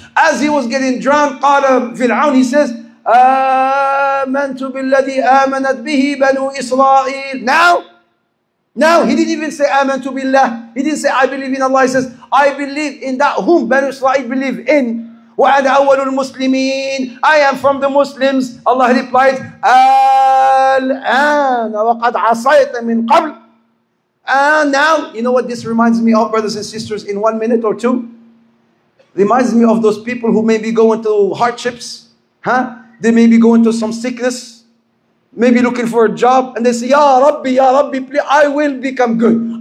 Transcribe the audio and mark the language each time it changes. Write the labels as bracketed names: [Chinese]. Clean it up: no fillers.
[English] As he was getting drowned, قال Fir'aun, he says, [Arabic] آمَنْتُ بِالَّذِي آمَنَتْ بِهِ بَنُو إِسْرَائِيلِ. [English] Now? Now? He didn't even say, [Arabic] آمَنْتُ بِاللَّهِ. [English] He didn't say, I believe in Allah. He says, I believe in that whom Banu Israel believe in. [Arabic] وَأَنَا أَوَّلُ الْمُسْلِمِينَ. [English] I am from the Muslims. Allah replied, [Arabic] الْآنَ وَقَدْ عَصَيْتَ مِنْ قَبْلِ. [English] And now, you know what this reminds me of, brothers and sisters, in 1 minute or two? Reminds me of those people who may be going through hardships. Huh? They may be going through some sickness. Maybe looking for a job. And they say, Ya Rabbi, please, I will become good.